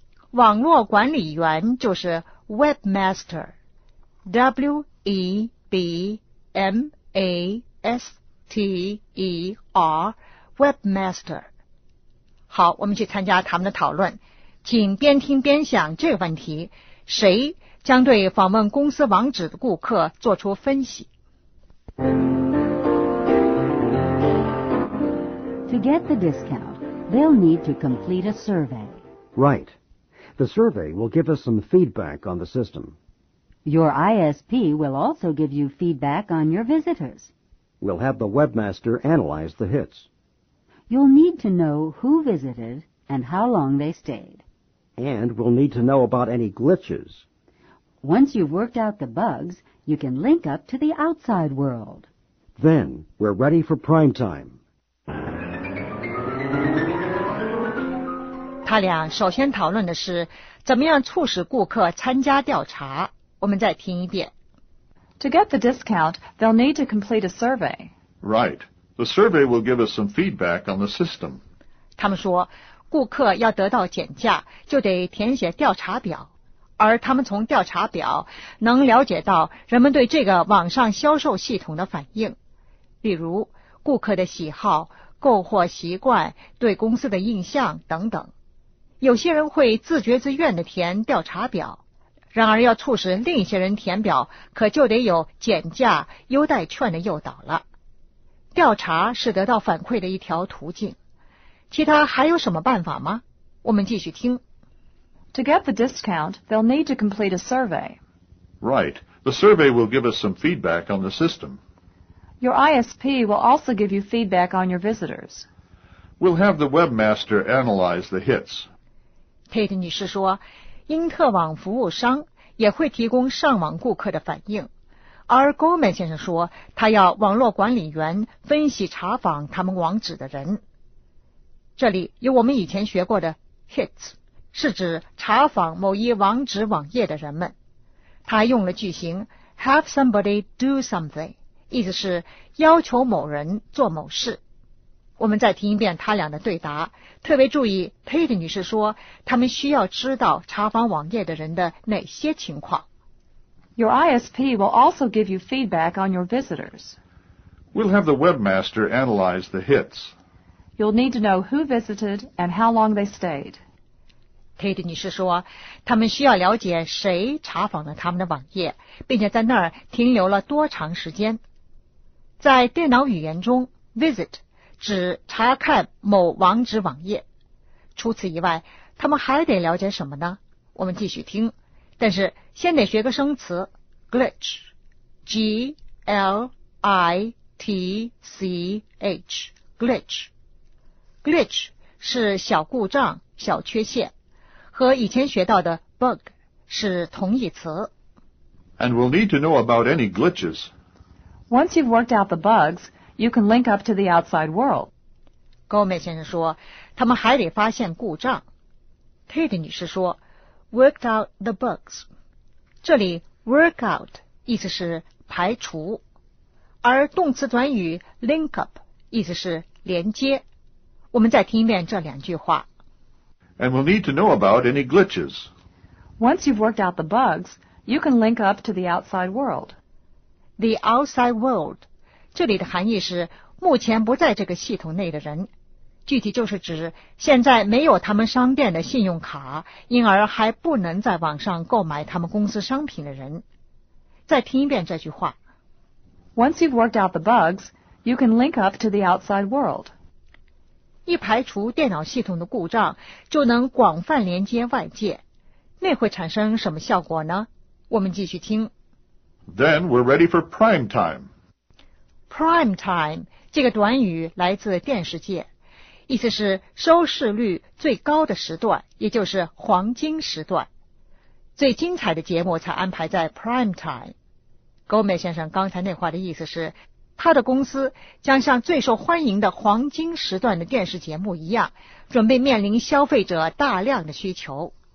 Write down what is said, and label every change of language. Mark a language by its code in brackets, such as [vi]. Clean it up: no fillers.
[zh] 网络管理员就是 webmaster, W-E-B-M-A-S-T-E-R, webmaster. 好，我们去参加他们的讨论，请边听边想这个问题，谁将对访问公司网址的顾客做出分析。 [en] To get the discount, they'll need to complete a survey. Right. The survey will give us some feedback on the system. Your ISP will also give you feedback on your visitors. We'll have the webmaster analyze the hits. You'll need to know who visited and how long they stayed. And we'll need to know about any glitches. Once you've worked out the bugs, you can link up to the outside world. Then, we're ready for prime time. [zh] 他俩首先讨论的是怎么样促使顾客参加调查。我们再听一遍。 [en] To get the discount, they'll need to complete a survey. Right. The survey will give us some feedback on the system. [zh] 他们说，顾客要得到减价，就得填写调查表。而他们从调查表能了解到人们对这个网上销售系统的反应，比如顾客的喜好、购货习惯、对公司的印象等等。有些人会自觉自愿地填调查表，然而要促使另一些人填表，可就得有减价优待券的诱导了。调查是得到反馈的一条途径。其他还有什么办法吗？我们继续听。 [en] To get the discount, they'll need to complete a survey. Right. The survey will give us some feedback on the system. Your ISP will also give you feedback on your visitors. We'll have the webmaster analyze the hits. [zh] Tate 女士说，英特网服务商也会提供上网顾客的反应。而 Goldman 先生说，他要网络管理员分析查访他们网址的人。这里有我们以前学过的 hits， 是指查访某一网址网页的人们。他用了句型 [en] have somebody do something， [zh] 意思是要求某人做某事。我们再听一遍他俩的对答，特别注意 Tate 女士说他们需要知道查访网页的人的哪些情况。 [en] Your ISP will also give you feedback on your visitors. We'll have the webmaster analyze the hits. You'll need to know who visited and how long they stayed. [zh] Tate 女士说，他们需要了解谁查访了他们的网页，并且在那儿停留了多长时间。在电脑语言中 ，visit 指查看某网址网页。除此以外，他们还得了解什么呢？我们继续听。但是先得学个生词 glitch， G-L-I-T-C-H， glitch， glitch 是小故障、小缺陷，和以前学到的 bug 是同义词。 [en] And we'll need to know about any glitches. Once you've worked out the bugs, you can link up to the outside world. [zh] Goldman 先生说，他们还得发现故障。 [en] Tate [zh] 女士说。 [en] Worked out the bugs. [zh] 这里 work out 意思是排除，而动词短语 link up 意思是连接。我们再听一遍这两句话。 [en] And we'll need to know about any glitches. Once you've worked out the bugs, you can link up to the outside world. [zh] The outside world 这里的含义是目前不在这个系统内的人。具体就是指现在没有他们商店的信用卡，因而还不能在网上购买他们公司商品的人。再听一遍这句话。 [en] Once you've worked out the bugs, you can link up to the outside world. [zh] 一排除电脑系统的故障，就能广泛连接外界。那会产生什么效果呢？我们继续听。 [en] Then we're ready for prime time. [zh] Prime time 这个短语来自电视界。意思是收视率最高的时段，也就是黄金时段，最精彩的节目才安排在 prime time。 Goldman 先生刚才那话的意思是，他的公司将像最受欢迎的黄金时段的电视节目一样，准备面临消费者大量的需求。